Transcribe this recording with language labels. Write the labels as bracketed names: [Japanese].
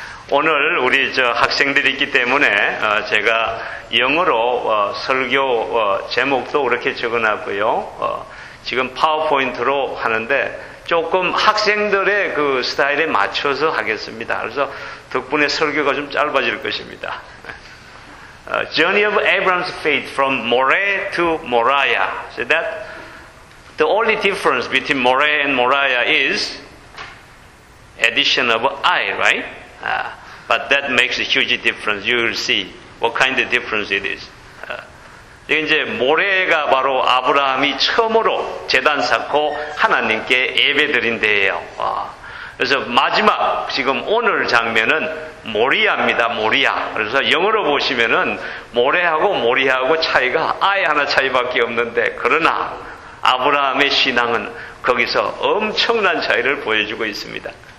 [Korean] 오늘 우리 저 학생들이 있기 때문에 제가 영어로 설교 제목도 그렇게 적어놨고요. 지금 파워포인트로 하는데 조금 학생들의 그 스타일에 맞춰서 하겠습니다. 그래서 덕분에 설교가 좀 짧아질 것입니다. [English] Journey of Abraham's faith from Moreh to Moriah. So that the only difference between Moreh and Moriah is addition of I, right? But that makes a huge difference. You will see what kind of difference it is. [Korean] 이게 이제 모레가 바로 아브라함이 처음으로 제단 쌓고 하나님께 예배드린 데예요. 그래서 마지막 지금 오늘 장면은 모리아입니다. 모리아. 그래서 영어로 보시면은 모레하고 모리아하고 차이가 아예 하나 차이밖에 없는데, 그러나 아브라함의 신앙은 거기서 엄청난 차이를 보여주고 있습니다.